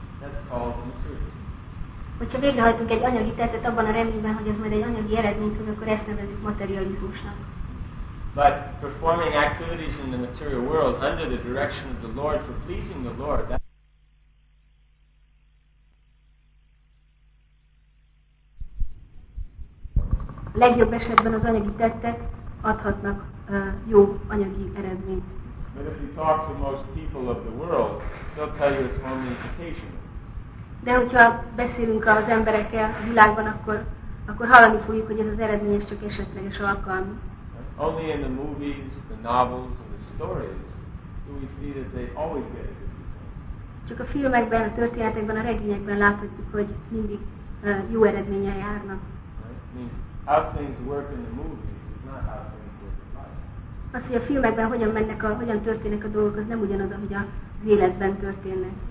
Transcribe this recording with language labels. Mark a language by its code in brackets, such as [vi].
[en] That's called materialism. [hu] Hogyha végrehajtunk egy anyagi tettet abban a reményben, hogy ez majd egy anyagi eredményt hoz, akkor ezt nevezik materializmusnak. [en] But performing activities in the material world under the direction of the Lord for pleasing the Lord, that [hu] legjobb esetben az anyagi tettek adhatnak jó anyagi eredményt. [en] But if you talk to most people of the world, they'll tell you it's only occasional. [hu] De hogyha beszélünk az emberekkel a világban, akkor hallani fogjuk, hogy ez az eredmény csak esetleges alkalmi. [en] Only in the movies, the novels, and the stories do we see that they always get it. [hu] Csak a filmekben, a történetekben, a regényekben láthatjuk, hogy mindig jó eredménye járnak. [en] How things work in the movie is not how things work in life. [hu] Azt, hogy a filmekben hogyan mennek, hogyan történnek a dolgok, az nem ugyanaz, ahogy az életben történnek.